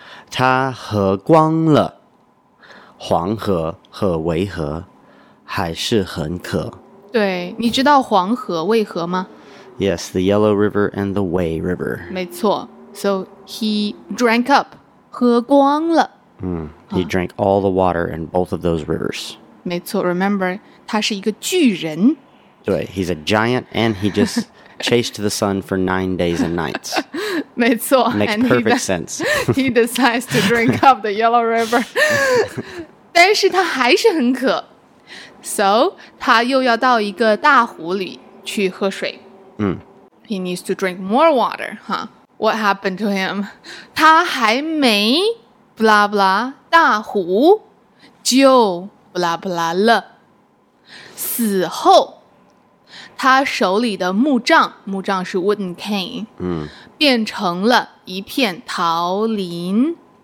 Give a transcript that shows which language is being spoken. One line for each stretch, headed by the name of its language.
Chinese: 他喝光了黄河和渭河还是很渴。对，你知道黄河、渭河吗
English: ？Yes, the Yellow River and the Wei River. 没错，So he drank up, 喝光了。 He drank all the water in both of those rivers.
Chinese: 没错 remember, 他是一个巨人。
English: 对 he's a giant and he just chased the sun for 9 days and nights.
Chinese: 没错
English: makes and perfect sense. He decides to drink up the Yellow River.
Chinese: 但是他还是很渴。 So, 他又要到一个大湖里去喝水。
English: He needs to drink more water, huh? What happened to him?
Chinese: 他还没blah blah 大湖就 blah blah 了死后他手里的木杖是 wooden cane、变成了一片桃林